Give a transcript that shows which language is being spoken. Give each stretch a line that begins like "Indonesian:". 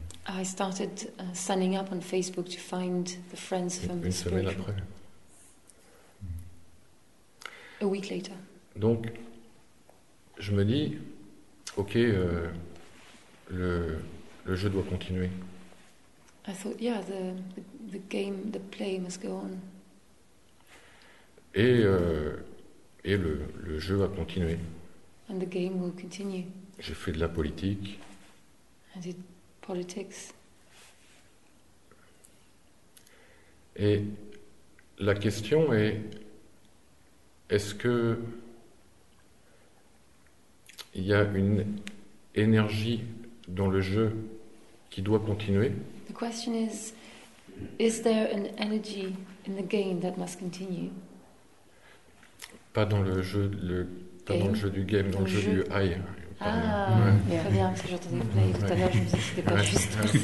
English: I started signing up on Facebook to find the friends from the spiritual.
French: Une semaine après.
English: A week later.
French: Donc, je me dis, ok, le jeu doit continuer.
English: I thought, yeah, the game, the play must go on.
French: Et le jeu a continué.
English: And the game will continue.
French: J'ai fait de la politique.
English: I did politics.
French: Et la question est, est-ce que il y a une énergie dans le jeu qui doit continuer?
English: The question is there an energy in the game that must continue?
French: Pas dans le jeu, dans le jeu du game, dans le jeu du high. Ah, très bien, parce que j'entendais play tout à l'heure, je me disais que c'était pas juste.